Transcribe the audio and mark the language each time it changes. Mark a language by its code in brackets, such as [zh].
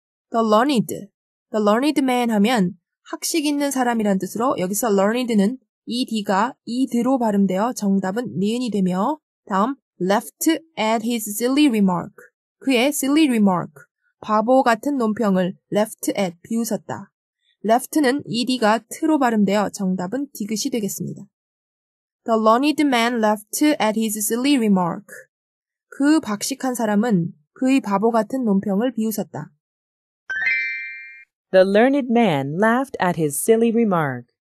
[ko] The learned man 하면 학식 있는 사람이란 뜻으로 여기서 learned는 ed가 ed로 발음되어 정답은 니은이 되며 다음 [en] laughed at his silly remark. [ko] 그의 silly remark. 바보 같은 논평을 laughed at 비웃었다. left는 ed가 t로 발음되어 정답은 디귿이 되겠습니다. [en] The learned man laughed at his silly remark. [ko] 그 박식한 사람은 그의 바보 같은 논평을 비웃었다. [en] The learned man laughed at his silly remark.